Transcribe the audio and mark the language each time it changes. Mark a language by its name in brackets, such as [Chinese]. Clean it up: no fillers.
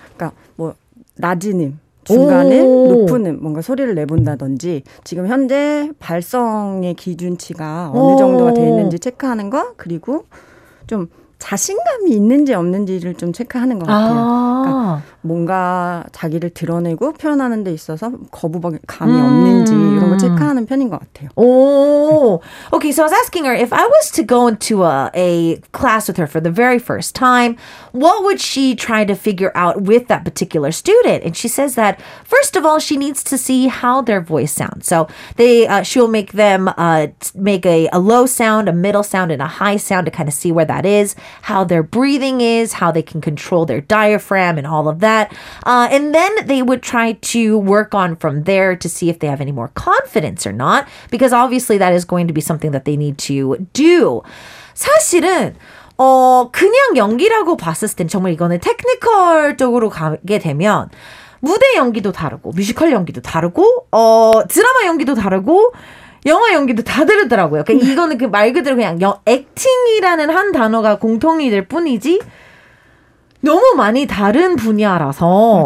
[Korean] 그러니까 뭐 라지님 중간에 높은음 뭔가 소리를 내본다든지 지금 현재 발성의 기준치가 어느 정도가 돼 있는지 체크하는 거 그리고 좀 자신감이 있는지 없는지를 좀 체크하는 것 같아요. 그러니까 뭔가 자기를 드러내고 표현하는 데 있어서 거부감이 없는지 이런 걸 체크하는 편인 것 같아요. [English] Okay, so I was asking her if I was to go into a class with her for the very first time, what would she try to figure out with that particular student? And she says that, first of all, she needs to see how their voice sounds. So she'll make them make a low sound, a middle sound, and a high sound to kind of see where that is. How their breathing is, how they can control their diaphragm and all of that. And then they would try to work on from there to see if they have any more confidence or not, because obviously that is going to be something that they need to do. [Korean] 사실은 그냥 연기라고 봤을 땐 정말 이거는 테크니컬적으로 가게 되면 무대 연기도 다르고 뮤지컬 연기도 다르고 드라마 연기도 다르고 영화 연기도 다 다르더라고요. 그러니까 이거는 그 말 그대로 그냥 액팅이라는 한 단어가 공통이 될 뿐이지 너무 많이 다른 분야라서